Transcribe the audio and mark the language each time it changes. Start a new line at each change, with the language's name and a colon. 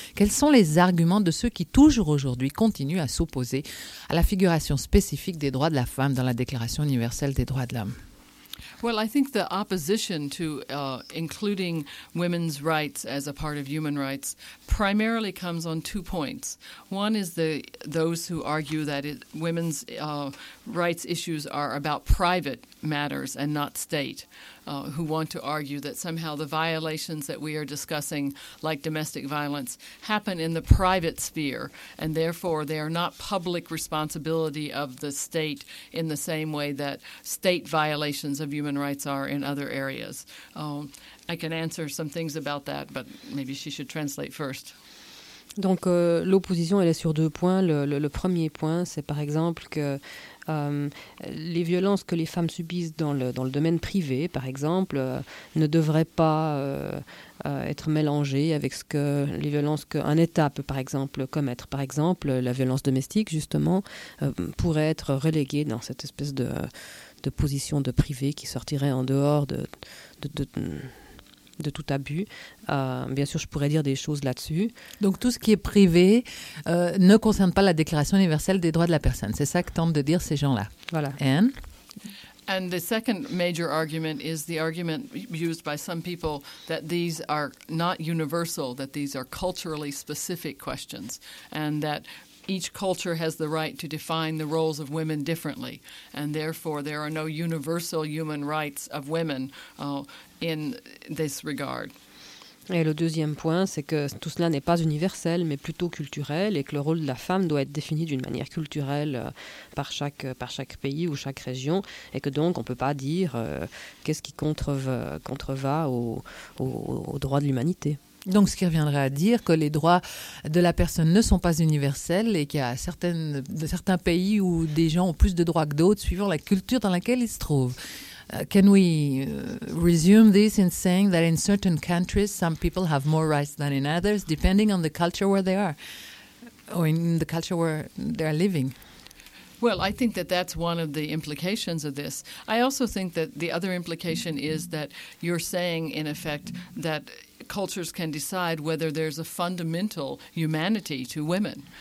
French: Quels sont les arguments de ceux qui, toujours aujourd'hui, continuent à s'opposer à la figuration spécifique des droits de la femme dans la Déclaration universelle des droits de l'homme?
English: Well, I think the opposition to including women's rights as a part of human rights primarily comes on two points. One is those who argue that women's rights issues are about private matters and not state, who want to argue that somehow the violations that we are discussing, like domestic violence, happen in the private sphere, and therefore they are not public responsibility of the state in the same way that state violations of human rights are in other areas. I can answer some things about that, but maybe she should translate first.
French: Donc l'opposition, elle est sur deux points. Le premier point, c'est par exemple que les violences que les femmes subissent dans le domaine privé, par exemple, ne devraient pas être mélangées avec les violences qu'un État peut, par exemple, commettre. Par exemple, la violence domestique, justement, pourrait être reléguée dans cette espèce de position de privé qui sortirait en dehors de tout abus. Bien sûr, je pourrais dire des choses là-dessus. Donc tout ce qui est privé ne concerne pas la Déclaration universelle des droits de la personne. C'est ça que tentent de dire ces gens-là. Voilà. Anne?
English: And the second major argument is the argument used by some people that these are not universal, that these are culturally specific questions, and that each culture has the right to define the roles of women differently, and therefore there are no universal human rights of women in this regard.
French: Et le deuxième point, c'est que tout cela n'est pas universel, mais plutôt culturel, et que le rôle de la femme doit être défini d'une manière culturelle par chaque pays ou chaque région, et que donc on ne peut pas dire qu'est-ce qui contrevient aux droits de l'humanité. Donc ce qui reviendrait à dire que les droits de la personne ne sont pas universels et qu'il y a certains pays où des gens ont plus de droits que d'autres suivant la culture dans laquelle ils se trouvent.
English: Can we resume this in saying that in certain countries some people have more rights than in others depending on the culture where they are or in the culture where they are living? Well, I think that that's one of the implications of this. I also think that the other implication is that you're saying, in effect, that cultures can decide whether there's a fundamental humanity to women.